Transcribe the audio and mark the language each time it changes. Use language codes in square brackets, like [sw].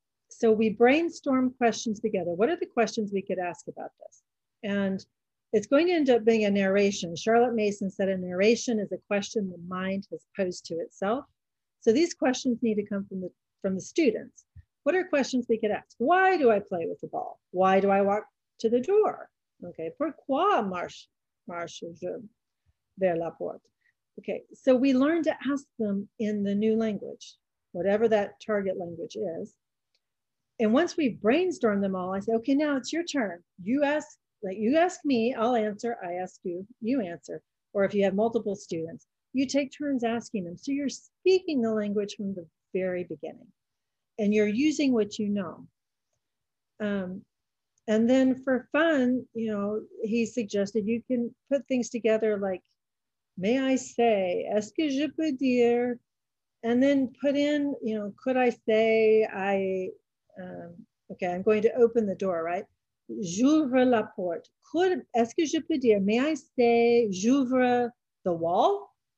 [en] So we brainstorm questions together. What are the questions we could ask about this? And it's going to end up being a narration. Charlotte Mason said a narration is a question the mind has posed to itself. So these questions need to come from the students. What are questions we could ask? Why do I play with the ball? Why do I walk to the door? [fr] Okay, pourquoi marche je vers la porte? [en] Okay, so we learn to ask them in the new language, whatever that target language is. And once we brainstorm them all, I say, okay, now it's your turn. You ask me, I'll answer. I ask you, you answer. Or if you have multiple students, you take turns asking them. So you're speaking the language from the very beginning, and you're using what you know. And then for fun, you know, he suggested you can put things together like, may I say, [fr] est-ce que je peux dire? [en] And then put in, you know, could I say, I'm going to open the door, right? [fr] j'ouvre la porte. Est-ce que je peux dire, [en] may I say, [fr] j'ouvre [en] the wall?